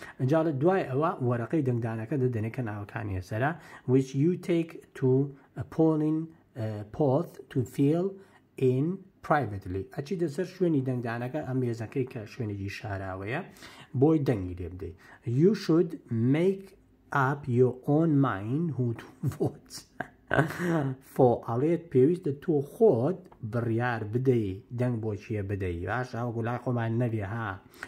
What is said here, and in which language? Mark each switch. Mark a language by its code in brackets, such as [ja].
[ckb] ئەنجا لە دوای ئەوە وەرەقەی دەنگدانەکە دەدەنێت کە ناوەکانی هەسەرە. [en] Which you take to a polling booth to fill in privately. [ckb] ئەچی دەسەر شوێنی دەنگدانەکە ئەم مێزەکەی کە شوێنێکی شاراوەیە بۆی دەنگی لێ بدەیت. [en] You should make up your own mind who to vote for. [ckb] ئەڵێت پێویستە تۆ خۆت بڕیار بدەی دەنگ بۆ چیە بدەی. باشا وەکو لای خۆمان نەبێ ها.